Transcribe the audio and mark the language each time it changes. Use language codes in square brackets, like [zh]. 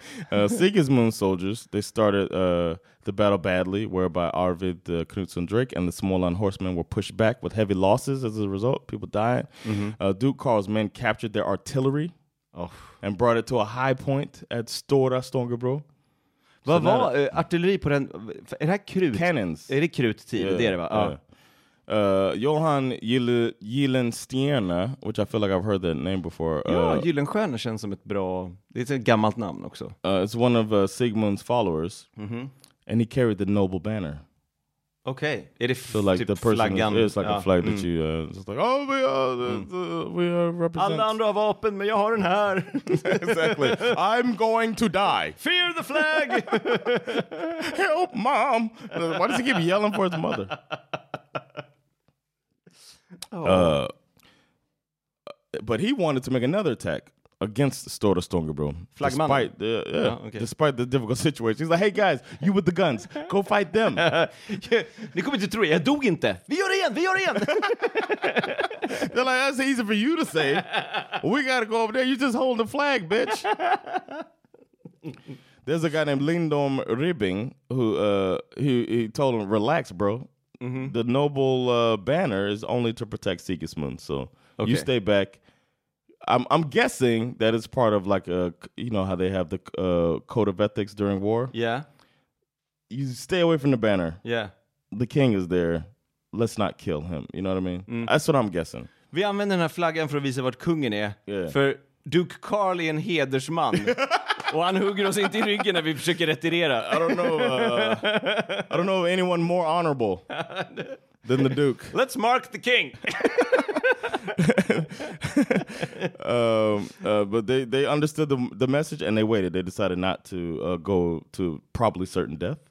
[en] Sigismund's soldiers, they started the battle badly, whereby Arvid Knutsson Drake and the Småland horsemen were pushed back with heavy losses as a result. People died. Mm-hmm. Duke Carl's men captured their artillery and brought it to a high point at Stora Stångebro. [sv] Vad var artilleri på den? Är det här krut? [en] Cannons. [sv] Är det krut-tid? Yeah, det är det va? Yeah. [en] Johan Gyllenstierna, which I feel like I've heard that name before. [sv] Ja, Gyllenstierna känns som ett bra... Det är ett gammalt namn också. [en] It's one of Sigmund's followers. Mm-hmm. And he carried the noble banner. Okay. [sv] Är det so, like, typ flaggan? [en] It's like a flag that you... It's like, oh, we are represent... [sv] Alla andra har vapen, men jag har den här. [en] Exactly. I'm going to die. Fear the flag! Help, mom! Why does he keep yelling for his mother? But he wanted to make another attack against Stora Stångebro. Flagman. Despite the difficult situation. He's like, hey guys, you with the guns, go fight them. [sv] Ni kommer inte tro det, jag dog inte. Vi gör det igen, vi gör det igen. [en] They're like, that's easy for you to say. We gotta go over there, you just hold the flag, bitch. There's a guy named Lindom Ribbing who told him, relax, bro. Mm-hmm. The noble banner is only to protect Sigismund. So okay. You stay back. I'm guessing that it's part of like a, you know, how they have the code of ethics during war. Yeah. You stay away from the banner. Yeah. The king is there. Let's not kill him. You know what I mean? Mm. That's what I'm guessing. [sv] Vi använder den här flaggan för att visa vart kungen är. Yeah. För Duke Carl är en hedersman. Och han hugger oss inte i ryggen när vi försöker retirera. [en] I don't know of anyone more honorable than the Duke. Let's mark the king. but they understood the message and they waited. They decided not to go to probably certain death.